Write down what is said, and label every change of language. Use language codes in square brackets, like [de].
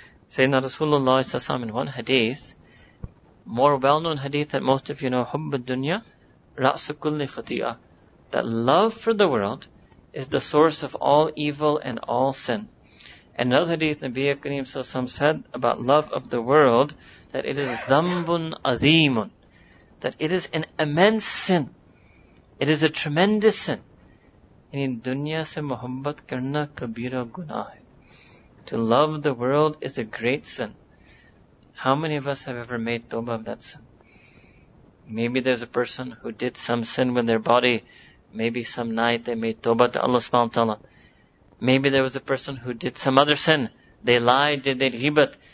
[en] Sayyidina Rasulullah sallallahu alayhi wa sallam in one hadith, more well-known hadith that most of you know, [ar] حُبّ الدُّنْيَا رَأْسُ كُلِّ خَطِيئَةٍ, [en] that love for the world is the source of all evil and all sin. Another hadith, Nabi Kareem sallallahu alayhi wa sallam said about love of the world, that it is [ar] ذَنْبٌ عَظِيمٌ, [en] that it is an immense sin. It is a tremendous sin. [ur] ان دنیا سے محبت کرنا کبیرہ گناہ. [en] To love the world is a great sin. How many of us have ever made tawbah of that sin? Maybe there's a person who did some sin with their body. Maybe some night they made tawbah to Allah subhanahu wa ta'ala. Maybe there was a person who did some other sin. They lied, they did ghibat.